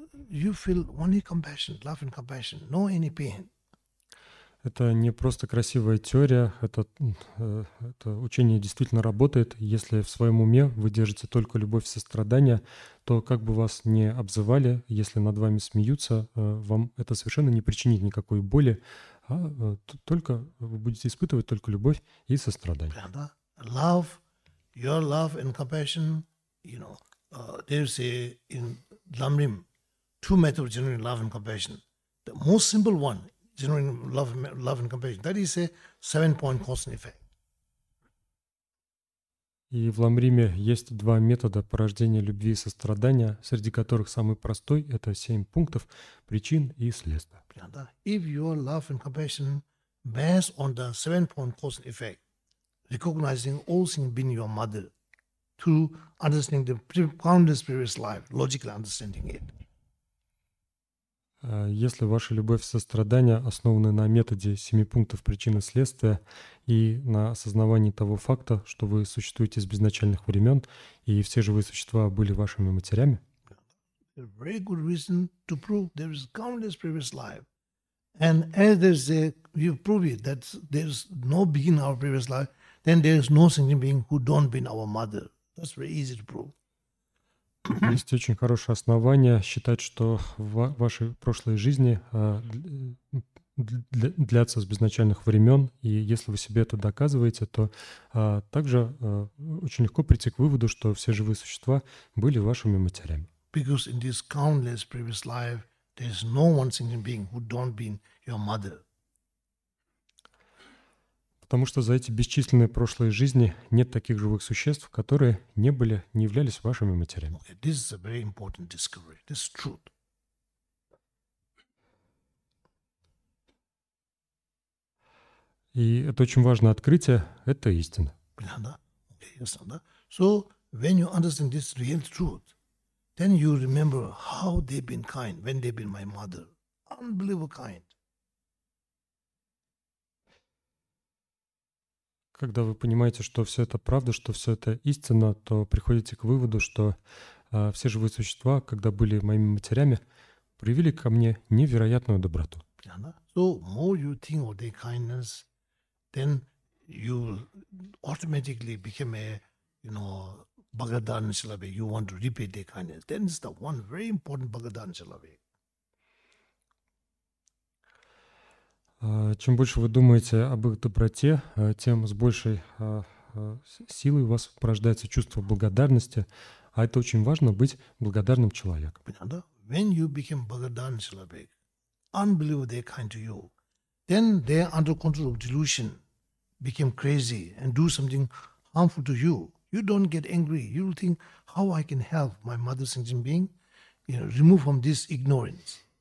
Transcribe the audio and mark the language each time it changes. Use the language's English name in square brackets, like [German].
[English] You feel only compassion, love and compassion, no any pain. [Russian] Это не просто красивая теория, это учение действительно работает. Если в своем уме вы держите только любовь и сострадание, то как бы вас ни обзывали, если над вами смеются, вам это совершенно не причинит никакой боли, а только вы будете испытывать только любовь и сострадание. [English] Love, your love and compassion, you know, there's a in Lamrim, two methods of generating love and compassion. The most simple one, generating love and compassion, that is a seven-point cause and effect. [Russian] И в Ламриме есть два метода порождения любви и сострадания, среди которых самый простой – это семь пунктов причин и следствия. [English] If your love and compassion based on the seven-point cause and effect, recognizing all things being your mother, to understanding the boundless previous life, logically understanding it. [Russian] Если ваша любовь и сострадание основаны на методе семи пунктов причины следствия и на осознавании того факта, что вы существуете с безначальных времен и все живые существа были вашими матерями. [English] A very good reason to prove there is boundless previous life. And as there's a, you prove it, that there's no being our previous life, then there's no sentient being who don't been our mother. That's very easy to prove. [Russian] Есть очень хорошее основание считать, что в вашей прошлой жизни длятся с безначальных времен, и если вы себе это доказываете, то также очень легко прийти к выводу, что все живые существа были вашими матерями. [English] Because in this countless previous life, there is no one sentient being who don't been your mother. [Russian] Потому что за эти бесчисленные прошлые жизни нет таких живых существ, которые не были, не являлись вашими матерями. [English] Okay, this is a very important discovery. This is truth. [Russian] И это очень важное открытие, это истина. [English] Yeah, okay, yes, so when you understand this real truth, Then you remember how they've been kind when they've been my mother. Unbelievable kind. [Russian] Когда вы понимаете, что все это правда, что все это истина, то приходите к выводу, что все живые существа, когда были моими матерями, проявили ко мне невероятную доброту. [English] So more you think of their kindness, then you automatically become a, you know, Bhagadana Shilabe. You want to repay their kindness. Then it's the one very important Bhagadana Shilabe. [Russian] Чем больше вы думаете об их доброте, тем с большей силой у вас порождается чувство благодарности, а это очень важно — быть благодарным человеком. Понятно? [English] When you become Bhagadana Shilabe, unbelievable they're kind to you. Then they under control of delusion became crazy and do something harmful to you. You don't get angry. You will think, how I can help my mother sentient being, you know, remove from this ignorance.